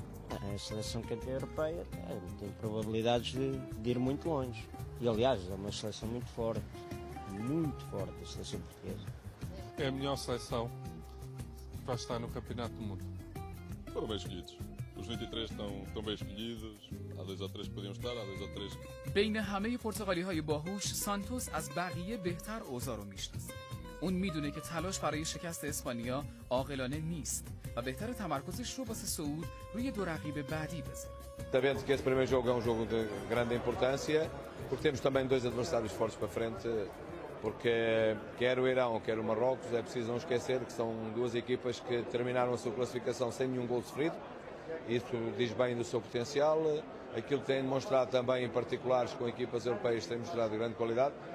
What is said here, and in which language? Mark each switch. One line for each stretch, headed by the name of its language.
Portuguese: A seleção campeã europeia tem probabilidades de ir muito longe. E, aliás, é uma seleção muito forte a seleção portuguesa. É a melhor seleção que vai estar no Campeonato do Mundo. Foram bem escolhidos. Os 23 estão bem escolhidos. Há dois ou três que podiam estar, há dois ou três que...
Persian: بین همه پرتغالی‌های باهوش، سانتوس از بقیه بهتر اوضاع رو می‌شناسه. اون میدونه که تلاش برای شکست اسپانیا عاقلانه نیست و بهتر تمرکزش رو واسه صعود روی دو رقیب بعدی بذاره.
Portuguese: Sabendo que esse primeiro jogo é jogo de grande importância, porque temos também dois adversários fortes para frente, porque quer o Irão, quer o Marrocos, é preciso não esquecer que são duas equipas que terminaram a sua classificação sem nenhum gol sofrido. Isso diz bem do seu potencial. Aquilo que têm demonstrado também, em particulares com equipas europeias, têm mostrado grande qualidade.